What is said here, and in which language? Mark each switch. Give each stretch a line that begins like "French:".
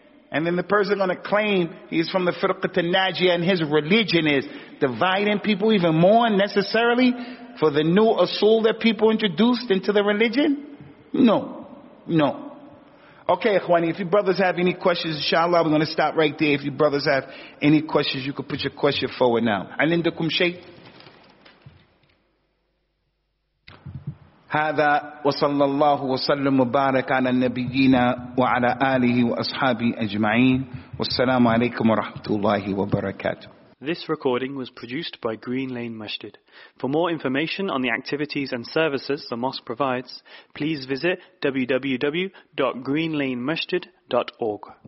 English: And then the person going to claim he's from the Firqat al-Najiyah and his religion is dividing people even more necessarily for the new asul that people introduced into the religion? No. No. Okay, Ikhwani, if you brothers have any questions, inshallah, we're going to stop right there. If you brothers have any questions, you could put your question forward now. Alindakum Shaykh.
Arabic: هذا وصلى الله وسلم وبارك على نبينا وعلى آله وأصحابه أجمعين والسلام عليكم ورحمة الله وبركاته
English: This recording was produced by Green Lane Masjid. For more information on the activities and services the mosque provides, please visit www.greenlanemasjid.org.